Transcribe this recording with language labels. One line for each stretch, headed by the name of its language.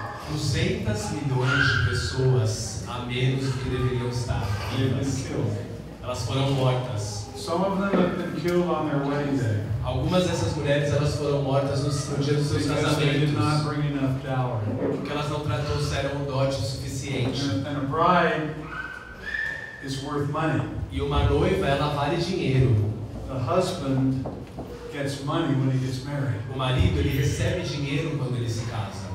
Portuguese: 200 milhões de pessoas a menos do que deveriam estar vivas. Elas foram mortas.
English: Some of them have been killed on their wedding day.
Portuguese: Algumas dessas mulheres elas foram mortas no dia dos seus
English: because
Portuguese: casamentos.
English: They did not bring enough dowry.
Portuguese: Porque elas não trouxeram um dote suficiente.
English: And a bride is worth money.
Portuguese: E uma noiva ela vale dinheiro.
English: The husband gets money when he gets married.
Portuguese: O marido ele recebe dinheiro quando ele se casa.